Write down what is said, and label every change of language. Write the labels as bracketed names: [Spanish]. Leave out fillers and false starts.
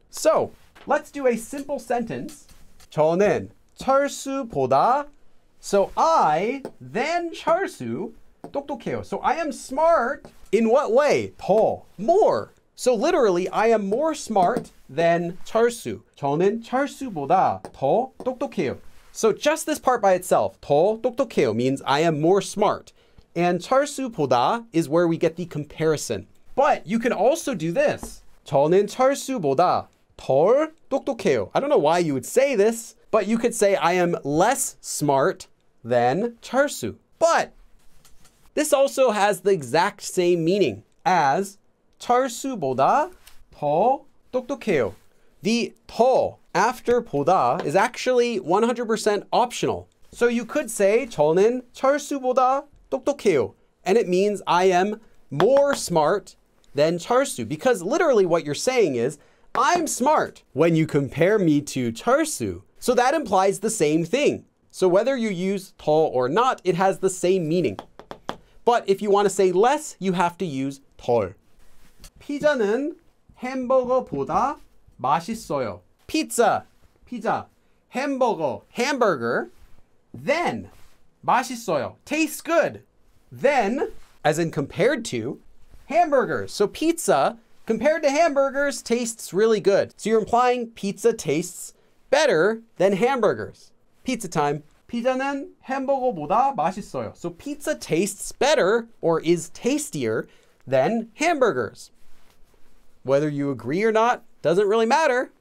[English] So let's do a simple sentence. [Korean] 저는 철수보다. [English] So I, then 철수, 똑똑해요. So I am smart. In what way? 더, more. So literally, I am more smart than 철수. [Korean] 저는 철수보다 더 똑똑해요. [English] So just this part by itself, [Korean] 더 똑똑해요, [English] means I am more smart. And 철수보다 is where we get the comparison. But you can also do this. [Korean] 저는 철수보다 덜 똑똑해요. [English] I don't know why you would say this, but you could say I am less smart than 철수. But this also has the exact same meaning as [Korean] 철수보다 덜 똑똑해요. [English] The 덜 after 보다 is actually 100% optional. So you could say [Korean] 저는 철수보다 똑똑해요. [English] And it means I am more smart than 철수. Because literally what you're saying is, I'm smart when you compare me to 철수. So that implies the same thing. So whether you use 더 or not, it has the same meaning. But if you want to say less, you have to use 덜. [Korean] 피자는 햄버거보다 맛있어요. [English] Pizza, 햄버거, hamburger, then 맛있어요, tastes good. Then, as in compared to, hamburgers. So pizza, compared to hamburgers, tastes really good. So you're implying pizza tastes better than hamburgers. Pizza time. [Korean] 피자는 햄버거보다 맛있어요. [English] So pizza tastes better or is tastier than hamburgers. Whether you agree or not, doesn't really matter.